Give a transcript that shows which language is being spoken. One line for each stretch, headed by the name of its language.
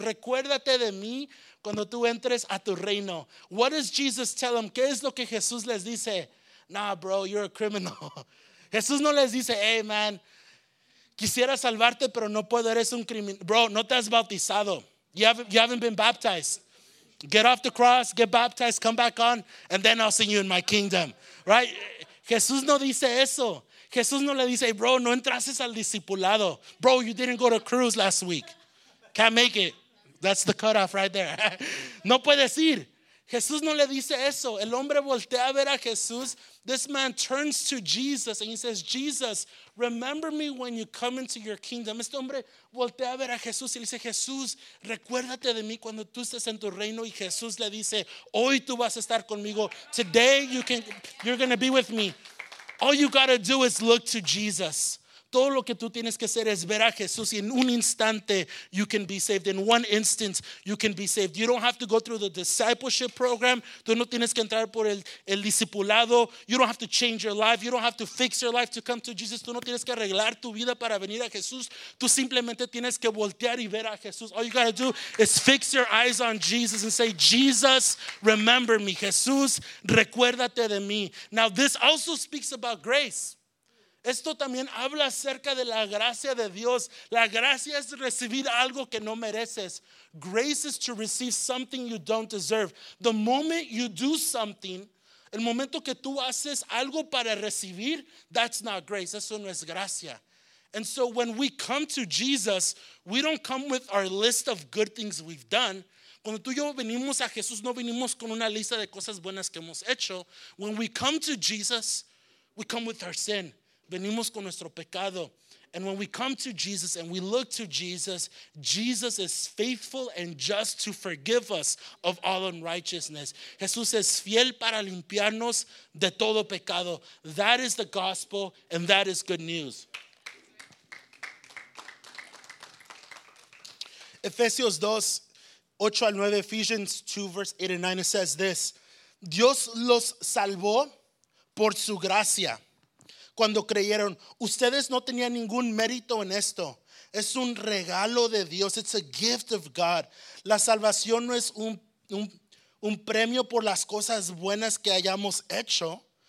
Spanish: Recuérdate de mí cuando tú entres a tu reino.
English: What does Jesus tell him?
Spanish: ¿Qué es lo que Jesús les dice?
English: Nah, bro, you're a criminal.
Spanish: Jesús no les dice,
English: hey, man,
Spanish: quisiera salvarte, pero no puedo, eres un criminal. Bro, no te has bautizado.
English: You haven't been baptized. Get off the cross, get baptized, come back on, and then I'll see you in my kingdom, right?
Spanish: Jesús no dice eso. Jesús no le dice, bro, no entraste al discipulado.
English: Bro, you didn't go to Cruz last week. Can't make it. That's the cutoff right there.
Spanish: No puedes ir. Jesús no le dice eso. El hombre voltea a ver a Jesús.
English: This man turns to Jesus and he says, Jesus, remember me when you come into your kingdom.
Spanish: Este hombre voltea a ver a Jesús y le dice, Jesús, recuérdate de mí cuando tú estés en tu reino. Y Jesús le dice, hoy tú vas a estar conmigo.
English: Today you're going to be with me. All you got to do is look to Jesus.
Spanish: Todo lo que tú tienes que hacer es ver a Jesús y en un instante
English: you can be saved. In one instant you can be saved. You don't have to go through the discipleship program.
Spanish: Tú no tienes que entrar por el discipulado.
English: You don't have to change your life. You don't have to fix your life to come to Jesus.
Spanish: Tú no tienes que arreglar tu vida para venir a Jesús. Tú simplemente tienes que voltear y ver a Jesús.
English: All you got to do is fix your eyes on Jesus and say, Jesus, remember me.
Spanish: Jesús, recuérdate de mí.
English: Now this also speaks about grace.
Spanish: Esto también habla acerca de la gracia de Dios. La gracia es recibir algo que no mereces.
English: Grace is to receive something you don't deserve. The moment you do something,
Spanish: el momento que tú haces algo para recibir,
English: that's not grace.
Spanish: Eso no es gracia.
English: And so when we come to Jesus, we don't come with our list of good things we've done.
Spanish: Cuando tú y yo venimos a Jesús, no venimos con una lista de cosas buenas que hemos hecho.
English: When we come to Jesus, we come with our sin.
Spanish: Venimos con nuestro pecado.
English: And when we come to Jesus and we look to Jesus, Jesus is faithful and just to forgive us of all unrighteousness.
Spanish: Jesús es fiel para limpiarnos de todo pecado.
English: That is the gospel and that is good news. Ephesians 2, 8 al 9, Ephesians 2, verse 8 and 9, it says this.
Spanish: Dios los salvó por su gracia. Cuando creyeron, ustedes no tenían ningún mérito en esto. Es un regalo de Dios.
English: It's a gift of God.
Spanish: La salvación no es un premio por las cosas buenas que hayamos hecho.